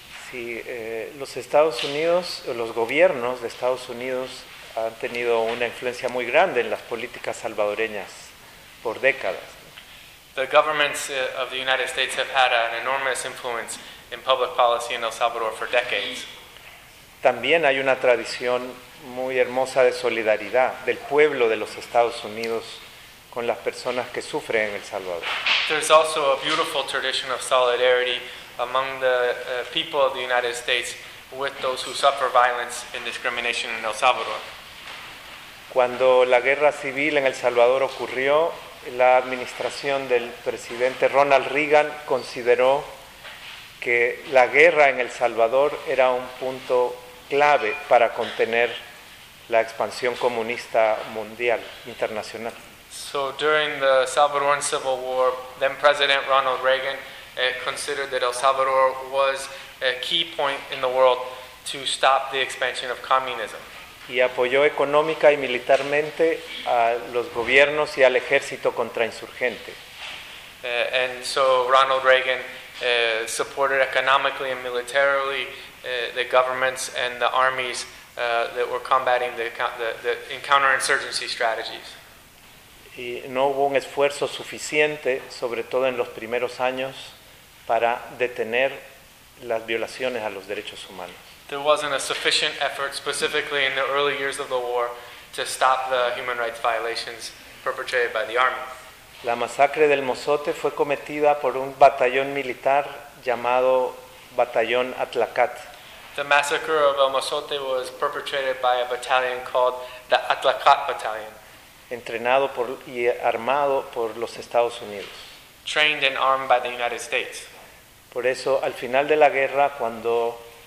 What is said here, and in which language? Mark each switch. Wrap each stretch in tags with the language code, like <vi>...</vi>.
<es>Sí, los Estados Unidos, los gobiernos de Estados Unidos han tenido una influencia muy grande en las políticas salvadoreñas por décadas.</es> <en>The governments of the United States have had an enormous influence in public policy in El Salvador for decades.</en> <es>También hay una tradición muy hermosa de solidaridad del pueblo de los Estados Unidos con las personas que sufren en El Salvador.</es> <en>There's also a beautiful tradition of solidarity among the people of the United States with those who suffer violence and discrimination in El Salvador.</en> <es>Cuando la guerra civil en El Salvador ocurrió, la administración del presidente Ronald Reagan consideró que la guerra en El Salvador era un punto clave para contener la expansión comunista mundial, internacional.</es> <en>So during the Salvadoran Civil War, then President Ronald Reagan considered that El Salvador was a key point in the world to stop the expansion of communism.</en> <es>Y apoyó económica y militarmente a los gobiernos y al ejército contrainsurgente.</es> <en>And so Ronald Reagan supported economically and militarily the governments and the armies that were combating the counterinsurgency strategies.</en> <es>Y no hubo un esfuerzo suficiente, sobre todo en los primeros años, para detener las violaciones a los derechos humanos.</es> <en>There wasn't a sufficient effort, specifically in the early years of the war, to stop the human rights violations perpetrated by the army.</en> <es>La masacre del Mozote fue cometida por un batallón militar llamado Batallón Atlacat.</es> <en>The massacre of El Mozote was perpetrated by a battalion called the Atlacat Battalion.</en> <es>Entrenado por y armado por los Estados Unidos.</es> <en>Trained and armed by the United States.</en> <es>Por eso, al final de la guerra, cuando</es>